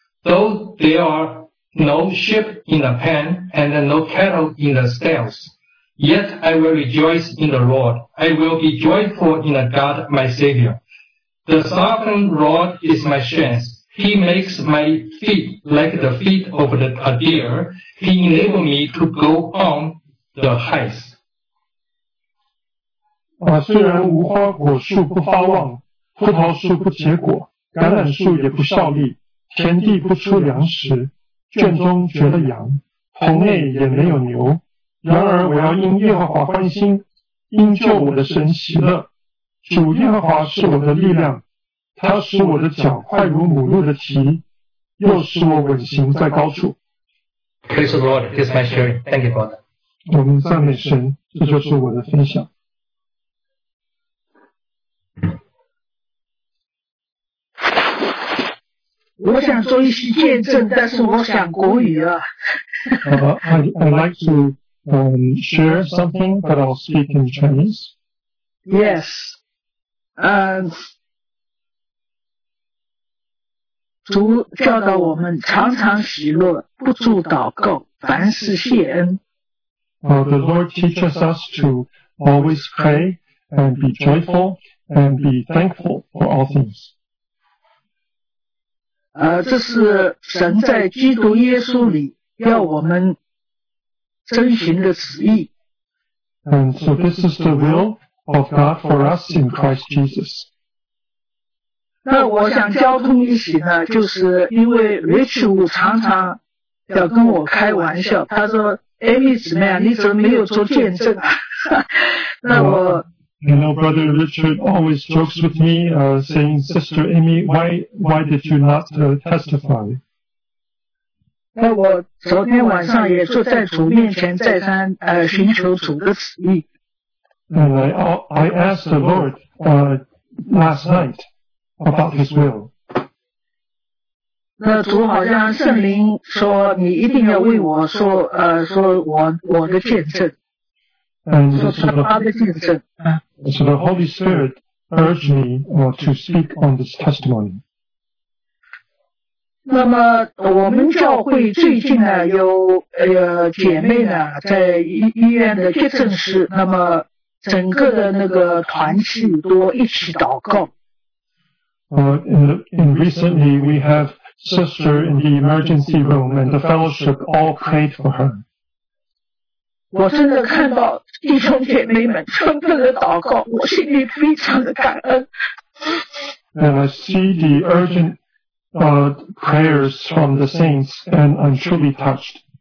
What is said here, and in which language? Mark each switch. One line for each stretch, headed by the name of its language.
English: Though there are no sheep in the pen and no cattle in the stalls, yet I will rejoice in the Lord. I will be joyful in the God my Savior. The sovereign Lord is my strength. He makes my feet like the feet of a deer. He enables me to go on the heights.
Chinese: 虽然无花果树不发旺，葡萄树不结果，橄榄树也不效力。田地不出粮食，圈中绝了羊，棚内也没有牛。然而我要因耶和华欢心，因救我的神喜乐。主耶和华是我的力量，他使我的脚快如母鹿的蹄，又使我稳行在高处。
English: Praise the Lord, this is my sharing. Thank you, Father.
Chinese: 我们赞美神，这就是我的分享。我想做一些见证，但是我想国语啊。
English: I'd like to share something, but I'll speak in Chinese. Yes.
Chinese: 主教导我们常常喜乐，不住祷告，凡事谢恩。
English: The Lord teaches us to always pray and be joyful and be thankful for all things.
Chinese: 这是神在基督耶稣里要我们遵循的旨意。
English: And so this is the will of God for us in Christ Jesus.
Chinese: 那我想交通一起呢，就是因为 Rich 五常常要跟我开玩笑，他说 Amy 姊妹啊，你怎么没有做见证啊？那我。
English: You know, Brother Richard always jokes with me, saying, Sister Amy, why did you not testify?
Chinese: 那我昨天晚上也坐在主面前再三寻求主的旨意。
English: And I asked the Lord last night about His will.
Chinese: 那主好像圣灵说你一定要为我说说我的见证。
English: And so the Holy Spirit urged me to speak on this testimony.
Chinese: 那么我们教会最近呢有姐妹呢在医院的急诊室，那么整个的那个团契都一起祷告。
English: In recently we have sister in the emergency room and the fellowship all prayed for her.
Chinese: 我真的看到弟兄姐妹们纷纷的祷告，我心里非常的感恩。
English: And I see the urgent prayers from the saints, and I'm truly touched.